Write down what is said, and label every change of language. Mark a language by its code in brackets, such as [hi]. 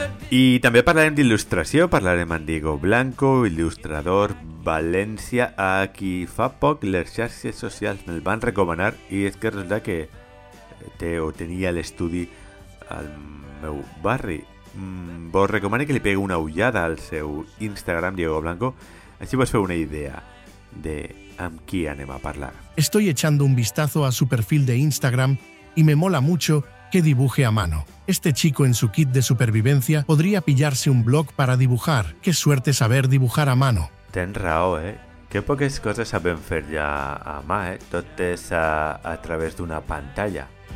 [ca] I també parlarem d'il·lustració, parlarem amb Diego Blanco, il·lustrador València, a qui fa poc les xarxes socials me'l van recomanar i és que resulta que té o tenia l'estudi al meu barri. Vos recomano que li pegui una ullada al seu Instagram, Diego Blanco, així vos feu una idea de amb qui anem a parlar. [es] Estoy echando un vistazo a su perfil de Instagram y me mola mucho que dibuje a mano. Este chico en su kit de supervivencia podría pillarse un blog para dibujar. ¡Qué suerte saber dibujar a mano! [ca] Tens raó, eh? Que poques coses sabem fer ja a mà, eh? Tot és a través d'una pantalla.